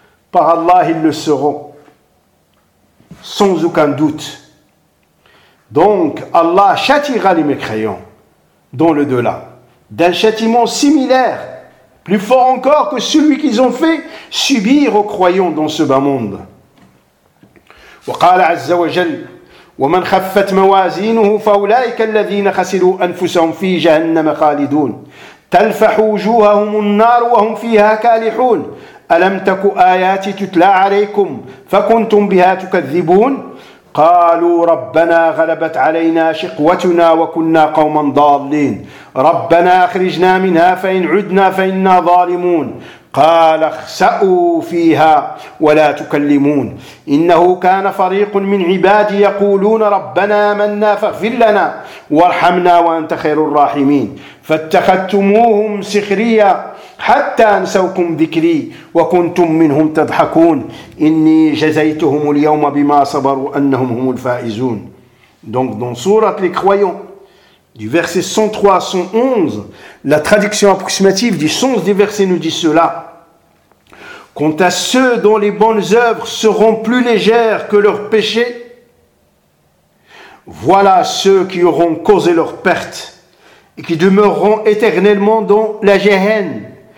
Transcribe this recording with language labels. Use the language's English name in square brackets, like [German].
[French] Par Allah, ils le seront, sans aucun doute. Donc, Allah châtiera les mécréants dans le delà d'un châtiment similaire, plus fort encore que celui qu'ils ont fait subir aux croyants dans ce bas monde. [Arabic] وقال عز وجل ومن خفت موازينه فأولئك الذين خسروا أنفسهم في جهنم خالدون تلفح وجوههم النار وهم فيها كالحون ألم تكن آياتي تتلى عليكم فكنتم بها تكذبون قالوا ربنا غلبت علينا شقوتنا وكنا قوما ضالين ربنا اخرجنا منها فإن عدنا فإنا ظالمون قال اخسأوا فيها ولا تكلمون إنه كان فريق من عبادي يقولون ربنا آمنا فاغفر لنا وارحمنا وأنت خير الراحمين فاتخذتموهم سخريا حتى أنسوكم ذكري وكنتم منهم تضحكون إني جزيتهم اليوم بما صبروا أنهم هم الفائزون. [French] Donc dans sourate les croyants, du verset 103 à 111, la traduction approximative du sens des versets nous dit cela. Quant à ceux dont les bonnes œuvres seront plus légères que leurs péchés, voilà ceux qui auront causé leur perte et qui demeureront éternellement dans la géhenne.